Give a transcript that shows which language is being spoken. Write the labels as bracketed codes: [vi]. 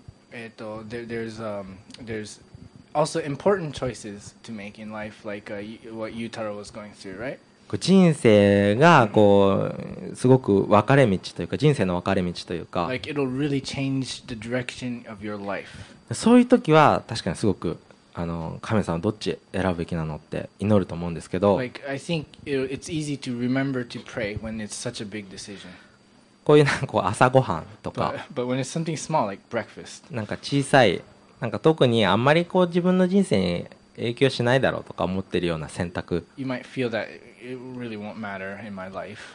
[en] there's also important choices to make in life like what Yutaro was going through, right? [ja] 人生がこうすごく分かれ道というか人生の分かれ道というか、 [en] like it'll really change the direction of your life. [ja] そういう時は確かにすごく神様どっち選ぶべきなのって祈ると思うんですけど、 [en] like I think it's easy to remember to pray when it's such a big decision. [ja] こういうなんかこう朝ごはんとか、 [en] but when it's something small like breakfast. [ja] なんか小さいなんか特にあんまりこう自分の人生に影響しないだろうとか思ってるような選択、 [en] you might feel that it really won't matter in my life.